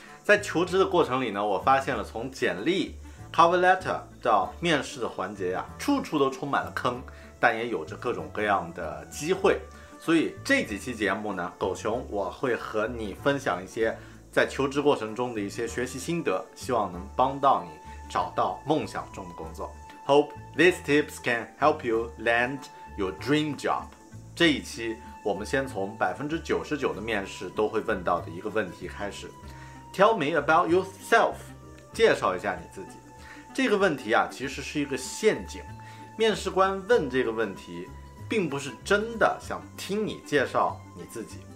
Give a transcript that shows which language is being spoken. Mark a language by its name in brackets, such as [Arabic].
[Chinese] 在求职的过程里呢，我发现了从简历 cover letter 到面试的环节呀，处处都充满了坑，但也有着各种各样的机会。所以这几期节目呢，狗熊我会和你分享一些在求职过程中的一些学习心得，希望能帮到你找到梦想中的工作。 [English] Hope these tips can help you land your dream job. [Chinese] 这一期我们先从 99% 的面试都会问到的一个问题开始。 [English] Tell me about yourself. [Chinese] 介绍一下你自己。这个问题啊，其实是一个陷阱。面试官问这个问题，并不是真的想听你介绍你自己。